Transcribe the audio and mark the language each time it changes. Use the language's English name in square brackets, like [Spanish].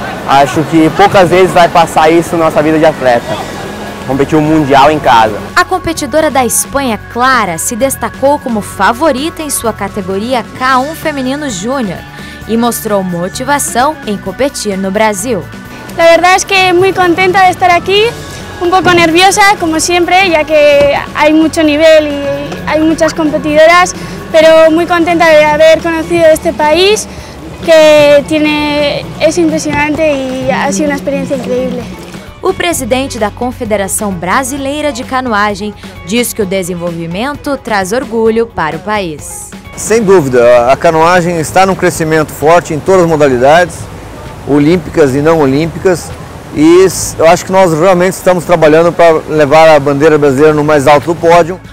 [Portuguese] Acho que poucas vezes vai passar isso na nossa vida de atleta. Competiu um mundial em casa. A competidora da Espanha, Clara, se destacou como favorita em sua categoria K1 Feminino Júnior e mostrou motivação em competir no Brasil. [Spanish] La verdad es que muy contenta de estar aquí, un poco nerviosa, como siempre, ya que hay mucho nivel y hay muchas competidoras. Pero muy contenta de haber conocido este país, que tiene, es impresionante y ha sido una experiencia increíble. [Portuguese] O presidente da Confederação Brasileira de Canoagem diz que o desenvolvimento traz orgulho para o país. Sem dúvida, a canoagem está num crescimento forte em todas as modalidades, olímpicas e não olímpicas, e eu acho que nós realmente estamos trabalhando para levar a bandeira brasileira no mais alto do pódio.